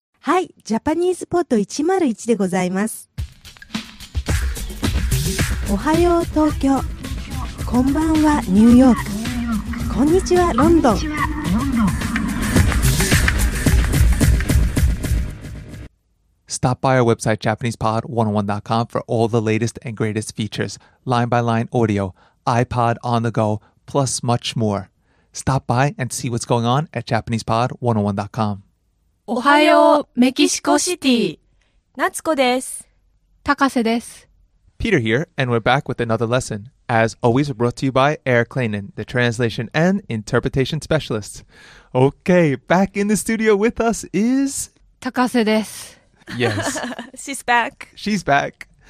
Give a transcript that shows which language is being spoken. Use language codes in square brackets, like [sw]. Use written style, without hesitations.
[ja] はい、ジャパニーズポッド101でございます。おはよう東京、こんばんはニューヨーク、こんにちはロンドン。 [en] Stop by our website JapanesePod101.com for all the latest and greatest features, line-by-line audio, iPod on the go, plus much more. Stop by and see what's going on at JapanesePod101.com. [ja] おはよう、メキシコシティ。夏子です。高瀬です。 [en] Peter here, and we're back with another lesson. As always, we're brought to you by Eric Klainen, the translation and interpretation specialist. Okay, back in the studio with us is... [ja] 高瀬です。 [en] Yes. She's back. She's back.